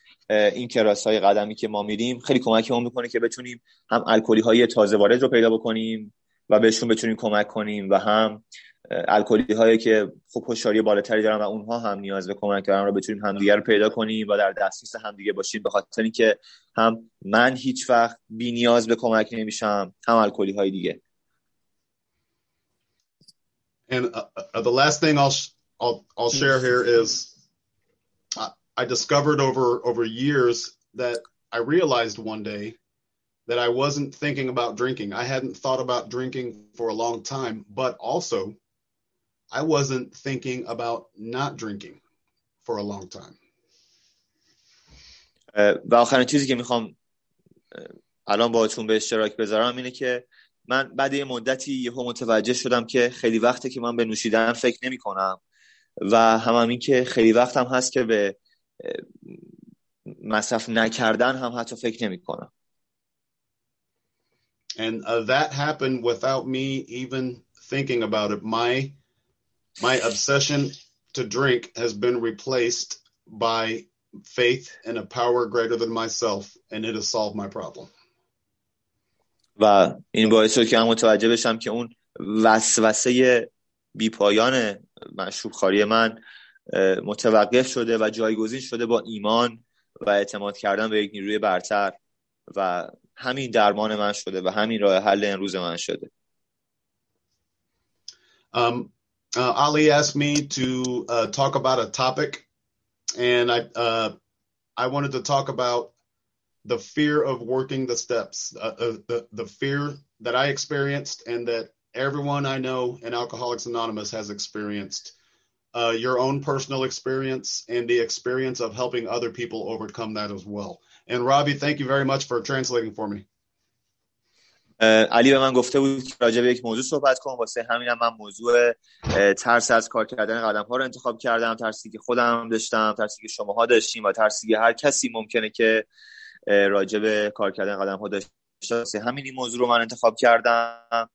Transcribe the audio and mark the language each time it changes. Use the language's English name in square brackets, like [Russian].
[Persian] این کلاس‌های قدمی که ما می‌ریم خیلی کمکمون می‌کنه که بتونیم هم الکلی‌های تازه وارد رو پیدا بکنیم و بهشون بتونیم کمک کنیم و هم الکلی‌هایی که خوب هوشیاری بالاتری دارن و اونها هم نیاز به کمک دارن رو بتونیم همدیگه رو پیدا کنیم و در دسترس همدیگه باشیم، به خاطر اینکه هم من هیچ وقت بی نیاز به کمک نمی‌شم هم الکلی‌های دیگه. [English] And the last thing I'll share here is I discovered over years that I realized one day that I wasn't thinking about drinking. I hadn't thought about drinking for a long time, but also I wasn't thinking about not drinking for a long time. [Persian] و آخرین چیزی که میخوام الان باهاتون به اشتراک بذارم اینه که من بعد یه مدتی یهو متوجه شدم که خیلی وقته که من به نوشیدن فکر نمی کنم و هم این که خیلی وقتم هست که به مصرف نکردن هم حتی فکر نمی کنم. [English] And that happened without me even thinking about it. My obsession to drink has been replaced by faith and a power greater than myself, and it has solved my problem. [Persian] و این باعث شد که من متوجه بشم که اون وسوسه بی پایان مشروب خوری من متوقف شده و جایگزین شده با ایمان و اعتماد کردن به یک نیروی برتر و همین درمان من شده و همین راه حل امروز من شده. [English] Ali asked me to talk about a topic, and I wanted to talk about the fear of working the steps, the fear that I experienced and that everyone I know in Alcoholics Anonymous has experienced, your own personal experience and the experience of helping other people overcome that as well. And Ravi, thank you very much for translating for me. [Persian] علی به من گفته بود که راجع به یک موضوع صحبت کنم، واسه همینم من موضوع ترس از کار کردن قدم‌ها رو انتخاب کردم، ترسی که خودم داشتم، ترسی که شماها داشتین و ترسی که هر کسی ممکنه که راجع به کار کردن قدم‌ها داشته باشه، همین موضوع رو من انتخاب کردم.